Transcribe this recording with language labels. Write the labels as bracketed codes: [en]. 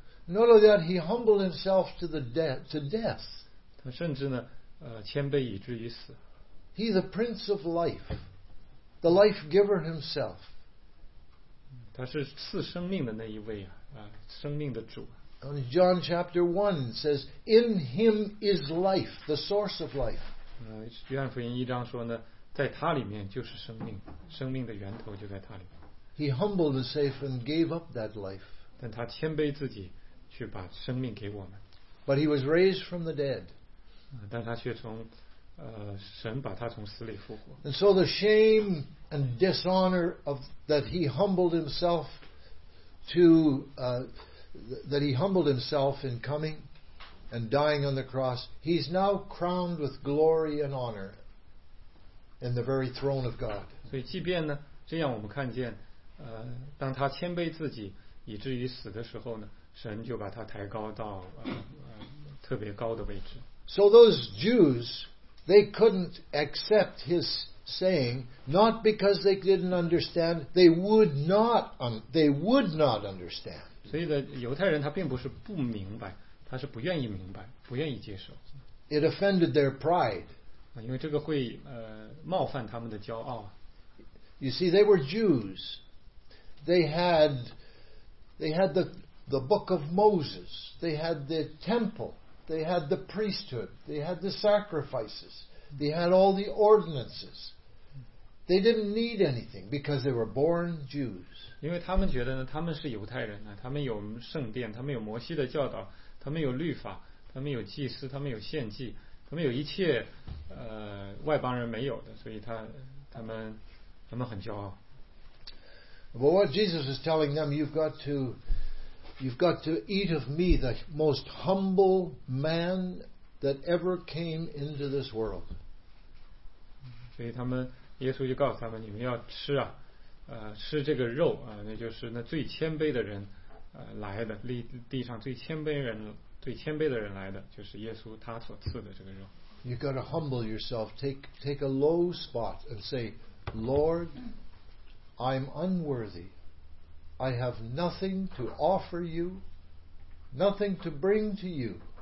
[en] Not only that, he humbled himself to death. [zh] 他甚至呢。谦卑以至于死。 [en] He the Prince of Life, the Life Giver Himself. [zh] 他是赐生命的那一位啊，生命的主。 [en] And John chapter 1 says, "In Him is life, the source of life." [zh] 约翰福音一章说呢，在他里面就是生命，生命的源头就在他里面。 [en] He humbled himself and gave up that life. [zh] 但他谦卑自己，去把生命给我们。 [en] But he was raised from the dead. [zh] 但他却从神把他从死里复活。 [en] And so the shame and dishonor of that he humbled himself to that he humbled himself in coming and dying on the cross, he's now crowned with glory and honor in the very throne of God. [zh] 所以即便呢，这样我们看见当他谦卑自己以至于死的时候呢，神就把他抬高到特别高的位置。 [en] So those Jews, they couldn't accept his saying, not because they didn't understand, they would not understand. [zh] 所以的犹太人他并不是不明白，他是不愿意明白，不愿意接受。 [en] It offended their pride. [zh] 因为这个会冒犯他们的骄傲。 [en] You see, they were Jews. They had the book of Moses. They had the temple. They had the priesthood. They had the sacrifices. They had all the ordinances. They didn't need anything because they were born Jews. [zh] 因为他们觉得呢，他们是犹太人呢，他们有圣殿，他们有摩西的教导，他们有律法，他们有祭司，他们有献祭，他们有一切外邦人没有的，所以他们很骄傲。 [en] But what Jesus is telling them, you've got to eat of me, the most humble man that ever came into this world. [zh] 所以他们耶稣就告诉他们，你们要吃啊，吃这个肉啊，那就是那最谦卑的人来的，地上最谦卑人，最谦卑的人来的，就是耶稣他所赐的这个肉。 [en] You got to humble yourself, take a low spot and say, Lord, I'm unworthy. I have nothing to offer you, nothing to bring to you.